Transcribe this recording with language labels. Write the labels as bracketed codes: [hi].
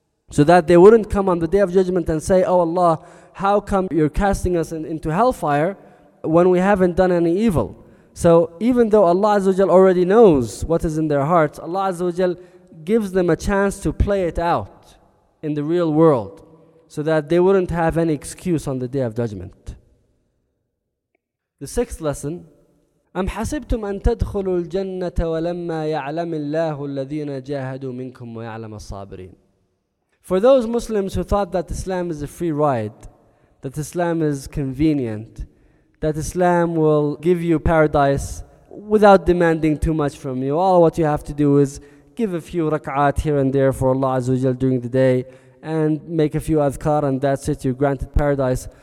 [en] So that they wouldn't come on the Day of Judgment and say, oh Allah, how come you're casting us into hellfire when we haven't done any evil? So even though Allah Azza wa Jal already knows what is in their hearts, Allah Azza wa Jal gives them a chance to play it out in the real world, so that they wouldn't have any excuse on the Day of Judgment. The sixth lesson, [ar] أَمْ حَسِبْتُمْ أَن تَدْخُلُوا الْجَنَّةَ وَلَمَّا يَعْلَمِ اللَّهُ الَّذِينَ جَاهَدُوا مِنْكُمْ وَيَعْلَمَ الصَّابِرِينَ. [en] For those Muslims who thought that Islam is a free ride, that Islam is convenient, that Islam will give you paradise without demanding too much from you, all what you have to do is give a few rak'at here and there for Allah Azza wa Jal during the day, and make a few adhkar, and that's it, you're granted paradise.